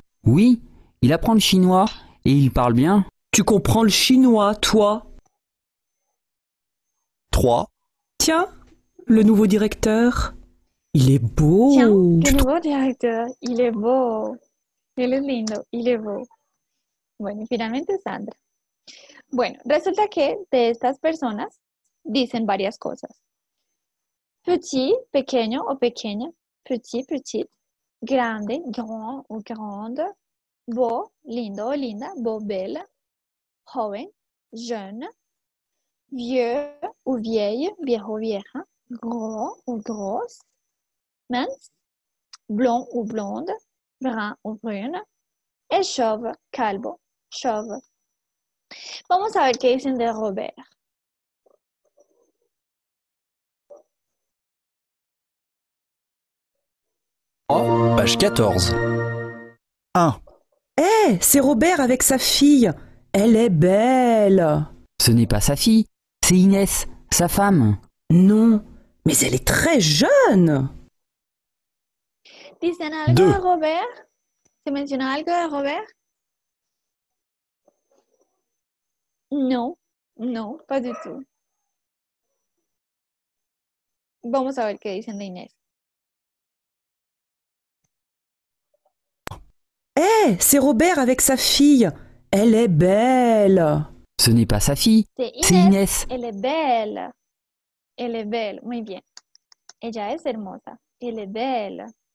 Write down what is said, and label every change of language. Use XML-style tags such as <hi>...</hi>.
<fr>Oui, il apprend le chinois et il parle bien. Tu comprends le chinois, toi. 3. Tiens. Le nouveau directeur, il est beau. Tiens, le nouveau directeur, il est beau. Il est lindo, il est beau.</fr> <es>Bueno, finalmente Sandra. Bueno, resulta que de estas personas dicen varias cosas. Petit, pequeño o pequeña.</es> <fr>Petit, petit. Grande, grand o grande. Beau, lindo o linda. Beau, belle. Joven, jeune. Vieux ou vieille. Viejo, vieja. Gros ou grosse, mince, blond ou blonde, brun ou brune, et chauve, calvo, chauve.</fr> <es>Vamos a ver qué dicen de Robert.</es> <fr>3, page 14. 1. Hé, hey, c'est Robert avec sa fille. Elle est belle. Ce n'est pas sa fille, c'est Inès, sa femme. Non, mais elle est très jeune.</fr> <es>Dicen algo 2. A Robert? Se menciona algo a Robert?</es> <fr>Non, non, pas du tout.</fr> <es>Vamos a ver qué dicen de Inés.</es> <fr>Hé, hey, c'est Robert avec sa fille. Elle est belle. Ce n'est pas sa fille, c'est Inès. C'est Inès. Elle est belle. Elle est belle,</fr> <es>muy bien. Ella es hermosa.</es> <fr>Elle est belle.</fr>